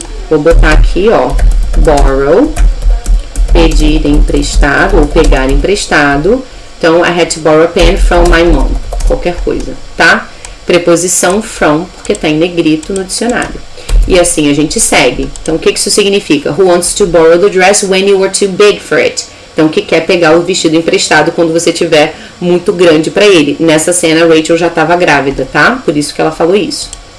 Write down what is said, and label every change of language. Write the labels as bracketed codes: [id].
[pt] Vou botar aqui, ó, borrow, pedir emprestado ou pegar emprestado. [en] Então, I had to borrow a pen from my mom. [pt] Qualquer coisa, tá? Preposição from, porque tá em negrito no dicionário. E assim a gente segue. Então, o que isso significa? [en] Who wants to borrow the dress when you were too big for it? [pt] Então, que quer pegar o vestido emprestado quando você tiver muito grande pra ele? Nessa cena, a Rachel já tava grávida, tá? Por isso que ela falou isso.